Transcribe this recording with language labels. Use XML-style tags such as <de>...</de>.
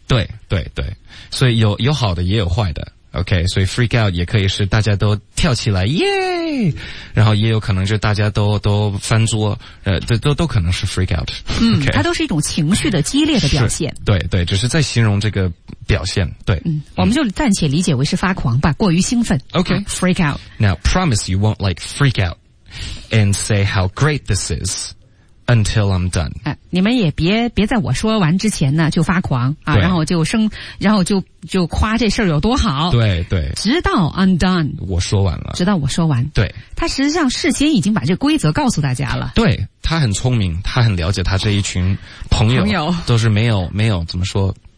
<zh>对对对所以有好的也有坏的 OK 所以 freak out 也可以是大家都跳起来耶然后也有可能就大家都翻桌都可能是 freak out 嗯、okay、它都是一种情绪的激烈的表现对对只是在形容这个表现对嗯我们就暂且理解为是发狂吧过于兴奋 OK、啊、</zh> <en>freak out Now promise you won't like freak out and say how great this is until I'm done.</en> <zh>你们也别在我说完之前呢就发狂啊，然后就生，然后就夸这事儿有多好。对对，直到</zh> <en>I'm done，</en> <zh>我说完了。直到我说完。对，他实际上事先已经把这规则告诉大家了。对，他很聪明，他很了解他这一群朋友，都是没有怎么说，</zh>